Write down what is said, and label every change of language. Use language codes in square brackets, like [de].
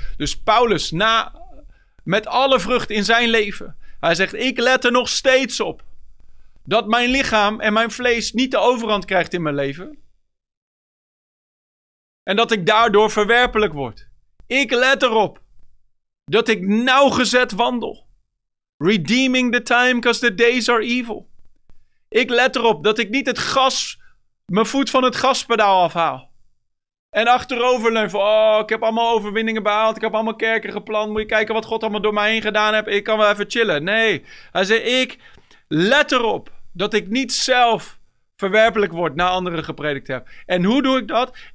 [nl] Dus Paulus na... Met alle vrucht in zijn leven. Hij zegt, ik let er nog steeds op. Dat mijn lichaam en mijn vlees niet de overhand krijgt in mijn leven. En dat ik daardoor verwerpelijk word. Ik let erop dat ik nauwgezet wandel. [en] Redeeming the time because the days are evil. [nl] Ik let erop dat ik niet mijn voet van het gaspedaal afhaal. En achterover leun van, ik heb allemaal overwinningen behaald. Ik heb allemaal kerken gepland. Moet je kijken wat God allemaal door mij heen gedaan heeft. Ik kan wel even chillen. Nee, hij zei, ik let erop dat ik niet zelf verwerpelijk word na anderen gepredikt heb. En hoe doe ik dat?